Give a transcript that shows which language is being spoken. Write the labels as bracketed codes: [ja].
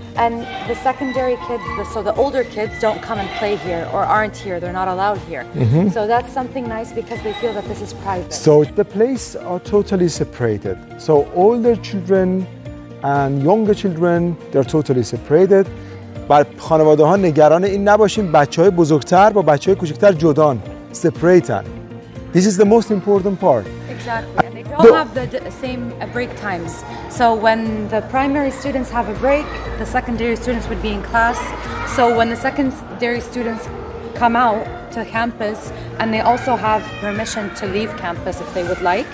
[en] And the secondary kids, so the older kids, don't come and play here or aren't here. They're not allowed here. Mm-hmm. So that's something nice because they feel that this is private. So the place are totally separated. So older children and younger children, they're totally separated. But [fa] خانواده ها نگران این نباشیم بچه های بزرگتر با بچه های کوچکتر جدان. [en] Separated. This is the most important part. Exactly. We all have the same break times. So when the primary students have a break, the secondary students would be in class. So when the secondary students come out to campus, and they also have permission to leave campus if they would like,